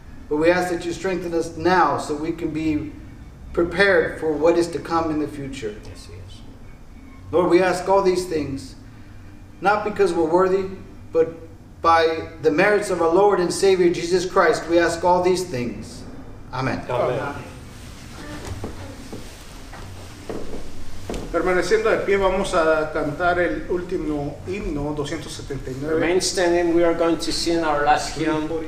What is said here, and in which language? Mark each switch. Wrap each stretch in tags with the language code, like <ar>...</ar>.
<en>But we ask that you strengthen us now so we can be prepared for what is to come in the future. Yes, yes. Lord, we ask all these things, not because we're worthy, but by the merits of our Lord and Savior Jesus Christ, we ask all these things. Amen. Amen.</en> <es>Permaneciendo de pie, vamos a cantar el último himno, 279.</es> <en>Remain standing, we are going to sing our last hymn,</en>